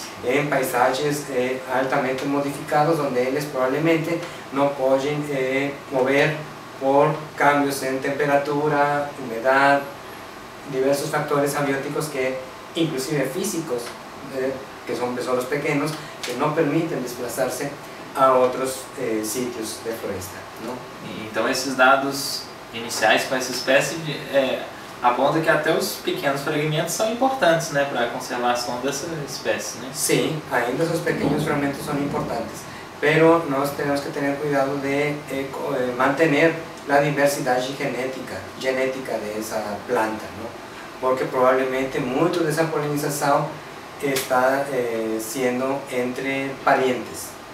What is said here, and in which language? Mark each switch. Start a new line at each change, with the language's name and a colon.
Spanish: En paisajes altamente modificados, donde ellos probablemente no pueden mover por cambios en temperatura, humedad, diversos factores abióticos que inclusive físicos, que son besouros pequeños, que no permiten desplazarse a otros sitios de floresta, ¿no?
Portuguese: Então, esses dados iniciais com essa espécie apontam que até os pequenos fragmentos são importantes, né, para a conservação dessa espécie, né?
Spanish: Sí, ainda esos pequeños fragmentos son importantes, pero nos tenemos que tener cuidado de mantener la diversidad genética de esa planta, ¿no? Porque probablemente mucho de esa polinización está siendo entre parientes,